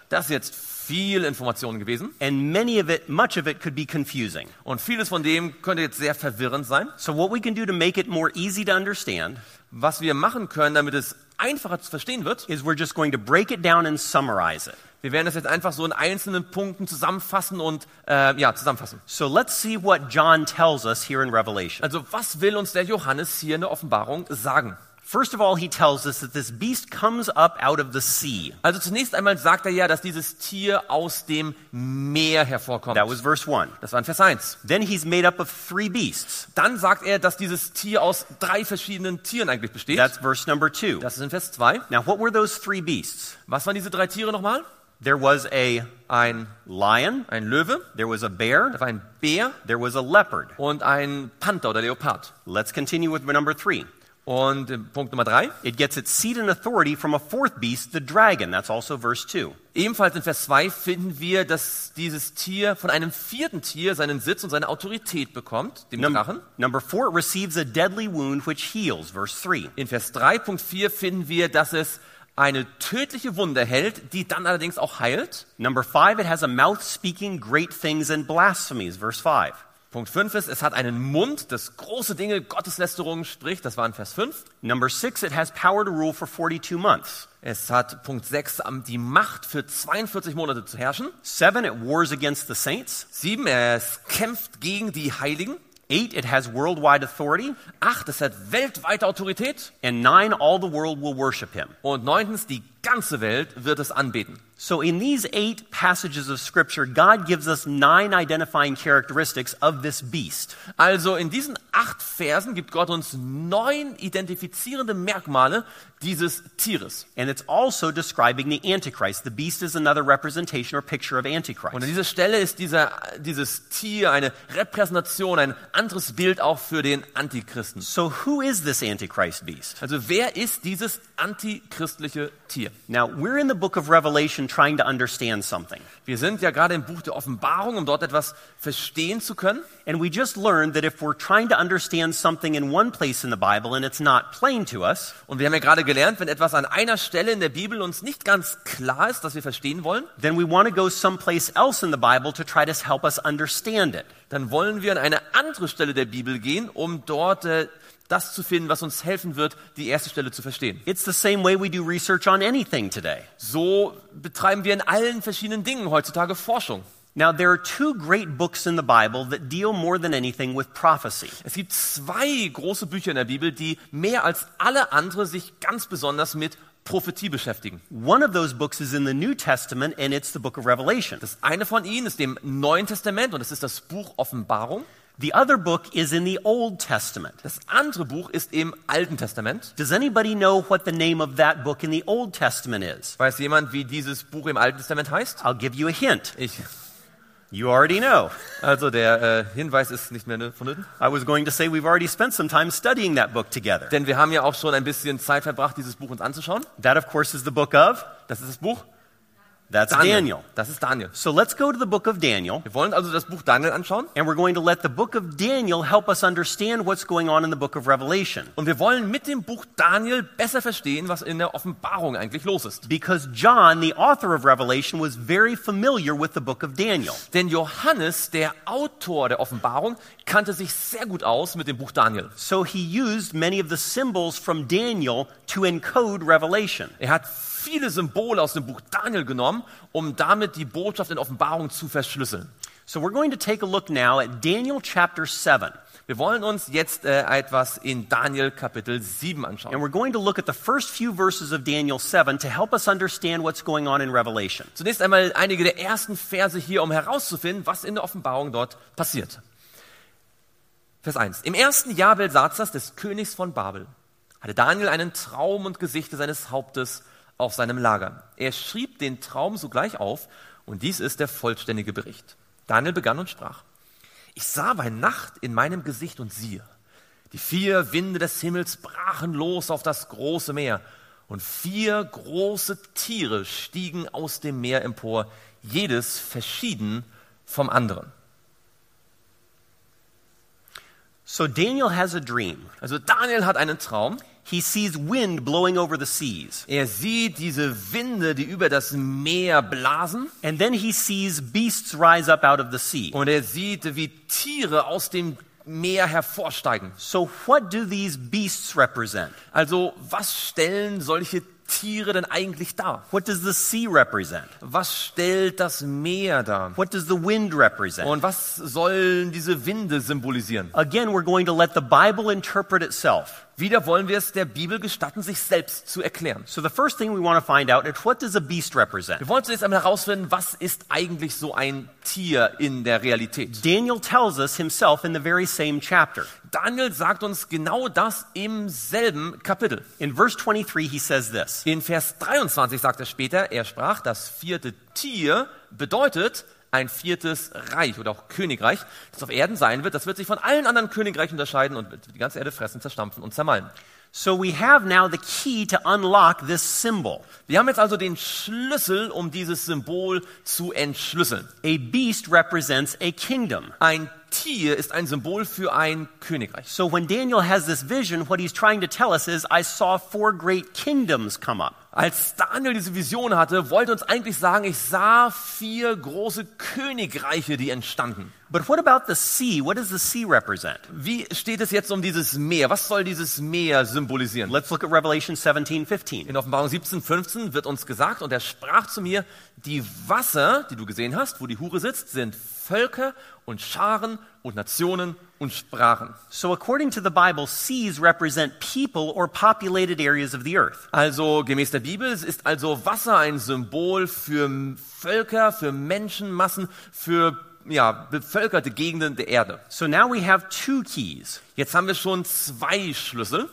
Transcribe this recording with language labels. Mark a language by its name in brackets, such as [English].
[German] Das ist jetzt viel Information gewesen. [English] And many of it, much of it could be confusing. [German] Und vieles von dem könnte jetzt sehr verwirrend sein. [English] So what we can do to make it more easy to understand, [German] was wir machen können, damit es einfacher zu verstehen wird, [English] is we're just going to break it down and summarize it. [German] Wir werden das jetzt einfach so in einzelnen Punkten zusammenfassen und zusammenfassen. [English] So let's see what John tells us here in Revelation. [German] Also was will uns der Johannes hier in der Offenbarung sagen? [English] First of all, he tells us that this beast comes up out of the sea. [German] Also zunächst einmal sagt er ja, dass dieses Tier aus dem Meer hervorkommt. [English] That was verse 1. [German] Das war in Vers 1. [English] Then he's made up of three beasts. [German] Dann sagt er, dass dieses Tier aus drei verschiedenen Tieren eigentlich besteht. [English] That's verse number 2. [German] Das ist in Vers 2. [English] Now, what were those three beasts? [German] Was waren diese drei Tiere nochmal? [English] There was a [German] ein [English] lion, [German] ein Löwe. [English] There was a bear, [German] da war ein Bär. [English] There was a leopard, [German] und ein Panther oder Leopard. [English] Let's continue with number 3. [German] Und Punkt Nummer 3. [English] It gets its seat and authority from a fourth beast, the dragon. That's also verse 2. [German] Ebenfalls in Vers 2 finden wir, dass dieses Tier von einem vierten Tier seinen Sitz und seine Autorität bekommt, dem Drachen. [English] Number 4 receives a deadly wound which heals, verse 3. [German] In Vers 3, Punkt 4 finden wir, dass es eine tödliche Wunde hält, die dann allerdings auch heilt. [English] Number 5, it has a mouth speaking great things and blasphemies, verse 5. [German] Punkt 5 ist, es hat einen Mund, das große Dinge, Gotteslästerungen spricht. Das war in Vers 5. [English] Number 6, it has power to rule for 42 months. [German] Es hat, Punkt 6, die Macht für 42 Monate zu herrschen. [English] 7, it wars against the saints. [German] 7, es kämpft gegen die Heiligen. [English] 8, it has worldwide authority. [German] 8, es hat weltweite Autorität. [English] And 9, all the world will worship him. [German] Und 9, die ganze Welt wird es anbeten. [English] So in these 8 passages of scripture, God gives us 9 identifying characteristics of this beast. [German] Also in diesen 8 Versen gibt Gott uns 9 identifizierende Merkmale dieses Tieres. [English] And it's also describing the Antichrist. The beast is another representation or picture of Antichrist. [German] Und an dieser Stelle ist dieses Tier eine Repräsentation, ein anderes Bild auch für den Antichristen. [English] So who is this Antichrist beast? [German] Also wer ist dieses antichristliche Tier? [English] Now we're in the book of Revelation trying to understand something. [German] Wir sind ja gerade im Buch der Offenbarung, um dort etwas verstehen zu können. [English] And we just learned that if we're trying to understand something in one place in the Bible and it's not plain to us, [German] und wir haben ja gerade gelernt, wenn etwas an einer Stelle in der Bibel uns nicht ganz klar ist, dass wir verstehen wollen, [English] then we want to go someplace else in the Bible to try to help us understand it. [German] Dann wollen wir an eine andere Stelle der Bibel gehen, um dort das zu finden, was uns helfen wird, die erste Stelle zu verstehen. [English] It's the same way we do research on anything today. [German] So betreiben wir in allen verschiedenen Dingen heutzutage Forschung. [English] Now there are two great books in the Bible that deal more than anything with prophecy. [German] Es gibt zwei große Bücher in der Bibel, die mehr als alle andere sich ganz besonders mit Prophetie beschäftigen. [English] One of those books is in the New Testament and it's the book of Revelation. [German] Das eine von ihnen ist im Neuen Testament und es ist das Buch Offenbarung. [English] The other book is in the Old Testament. [German] Das andere Buch ist im Alten Testament. [English] Does anybody know what the name of that book in the Old Testament is? [German] Weiß jemand, wie dieses Buch im Alten Testament heißt? [English] I'll give you a hint. You already know. [German] Also der Hinweis ist nicht mehr vonnöten. [English] I was going to say we've already spent some time studying that book together. [German] Denn wir haben ja auch schon ein bisschen Zeit verbracht, dieses Buch uns anzuschauen. [English] That of course is the book of. [German] Das ist das Buch. [English] That's Daniel. Daniel. [German] Das ist Daniel. [English] So let's go to the book of Daniel. [German] Wir wollen also das Buch Daniel anschauen. [English] And we're going to let the book of Daniel help us understand what's going on in the book of Revelation. [German] Und wir wollen mit dem Buch Daniel besser verstehen, was in der Offenbarung eigentlich los ist. [English] Because John, the author of Revelation, was very familiar with the book of Daniel. [German] Denn Johannes, der Autor der Offenbarung, kannte sich sehr gut aus mit dem Buch Daniel. [English] So he used many of the symbols from Daniel to encode Revelation. [German] Er hat viele Symbole aus dem Buch Daniel genommen, um damit die Botschaft in Offenbarung zu verschlüsseln. [English] So we're going to take a look now at Daniel chapter 7. [German] Wir wollen uns jetzt etwas in Daniel Kapitel 7 anschauen. [English] And we're going to look at the first few verses of Daniel 7 to help us understand what's going on in Revelation. [German] Zunächst einmal einige der ersten Verse hier, um herauszufinden, was in der Offenbarung dort passiert. Vers 1. Im ersten Jahr Belsazars des Königs von Babel hatte Daniel einen Traum und Gesichte seines Hauptes auf seinem Lager. Er schrieb den Traum sogleich auf und dies ist der vollständige Bericht. Daniel begann und sprach: Ich sah bei Nacht in meinem Gesicht und siehe, die vier Winde des Himmels brachen los auf das große Meer und vier große Tiere stiegen aus dem Meer empor, jedes verschieden vom anderen. [English] So Daniel has a dream. [German] Also Daniel hat einen Traum. [English] He sees wind blowing over the seas. [German] Er sieht diese Winde, die über das Meer blasen. [English] And then he sees beasts rise up out of the sea. [German] Und er sieht, wie Tiere aus dem Meer hervorsteigen. [English] So what do these beasts represent? [German] Also, was stellen solche Tiere denn eigentlich dar? [English] What does the sea represent? [German] Was stellt das Meer dar? [English] What does the wind represent? [German] Und was sollen diese Winde symbolisieren? [English] Again, we're going to let the Bible interpret itself. [German] Wieder wollen wir es der Bibel gestatten, sich selbst zu erklären. [English] So the first thing we want to find out is what does a beast represent? [German] Wir wollen zuerst einmal herausfinden, was ist eigentlich so ein Tier in der Realität? [English] Daniel tells us himself in the very same chapter. [German] Daniel sagt uns genau das im selben Kapitel. [English] In verse 23 he says this. [German] In Vers 23 sagt er später, er sprach, das vierte Tier bedeutet ein viertes Reich oder auch Königreich, das auf Erden sein wird, das wird sich von allen anderen Königreichen unterscheiden und wird die ganze Erde fressen, zerstampfen und zermalmen. [English] So we have now the key to unlock this symbol. [German] Wir haben jetzt also den Schlüssel, um dieses Symbol zu entschlüsseln. [English] A beast represents a kingdom. [German] Ein Tier ist ein Symbol für ein Königreich. [English] So when Daniel has this vision, what he's trying to tell us is, I saw four great kingdoms come up. [German] Als Daniel diese Vision hatte, wollte uns eigentlich sagen, ich sah vier große Königreiche, die entstanden. [English] But what about the sea? What does the sea represent? [German] Wie steht es jetzt um dieses Meer? Was soll dieses Meer symbolisieren? [English] Let's look at Revelation 17:15. [German] In Offenbarung 17:15 wird uns gesagt, und er sprach zu mir, die Wasser, die du gesehen hast, wo die Hure sitzt, sind Völker und Scharen und Nationen und Sprachen. [English] So according to the Bible, seas represent people or populated areas of the earth. [German] Also gemäß der Bibel ist also Wasser ein Symbol für Völker, für Menschenmassen, für ja, bevölkerte Gegenden der Erde. [English] So now we have two keys. [German] Jetzt haben wir schon zwei Schlüssel.